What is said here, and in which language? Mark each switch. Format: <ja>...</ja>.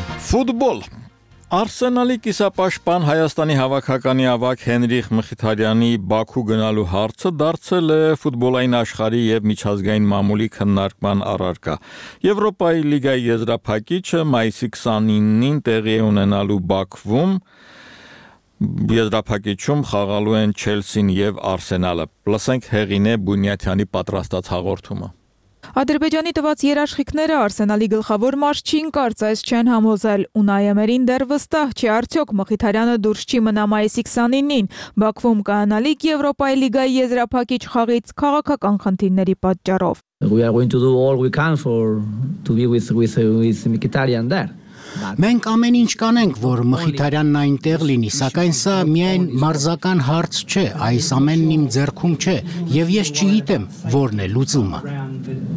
<hy>Ֆուտբոլ։ Արսենալի կիսապաշտպան Հայաստանի հավաքականի ավագ Հենրիխ Մխիթարյանի Բաքու գնալու հարցը դարձել է ֆուտբոլային աշխարհի եւ միջազգային մամուլի քննարկման առարկա։ Եվրոպայի լիգայի եզրափակիչը մայիսի 29-ին տեղի ունենալու Բաքվում եզրափակիչում խաղալու են Չելսին եւ Արսենալը։ Լսենք Հեղինե Բունյատյանի պատրաստած հաղորդումը։ Ադրբեջանի տված երաշխիքները Արսենալի գլխավոր մարզչին կարծես չեն համոզել ու Նայեմերին դեռ վստահ չի, արդյոք Մխիթարյանը դուրս չի մնա մայիսի 29-ին Բաքվում կայանալիք Եվրոպայի լիգայի եզրափակիչ խաղից քաղաքական խնդիրների պատճառով։</hy> <en>We are going to do all we can for to be with Mkhitaryan there.</en> <hy>Մենք ամեն ինչ կանենք, որ Մխիթարյանն այնտեղ լինի, սակայն սա միայն մարզական հարց չէ, այս ամենն իմ ձեռքում չէ, եւ ես չգիտեմ, որն է լուծումը։</hy>